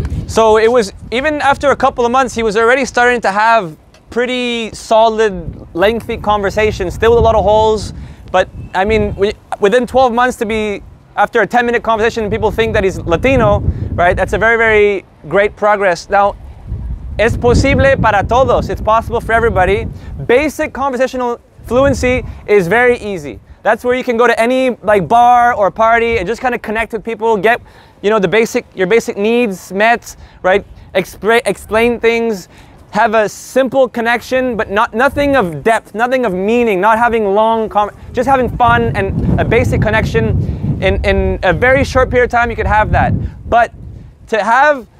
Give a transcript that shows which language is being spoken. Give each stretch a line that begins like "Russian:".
English: So it was, even after a couple of months, he was already starting to have pretty solid, lengthy conversations, still with a lot of holes. But I mean, within 12 months to be after a 10-minute conversation, people think that he's Latino, right? That's a very, very great progress.
Spanish: Now, es posible para todos.
English: It's possible for everybody. Basic conversational fluency is very easy. That's where you can go to any like bar or party and just kind of connect with people, get, you know, your basic needs met, right? Explain things. Have a simple connection, but nothing of depth, nothing of meaning, not having long, just having fun and a basic connection. In a very short period of time, you could have that. But to have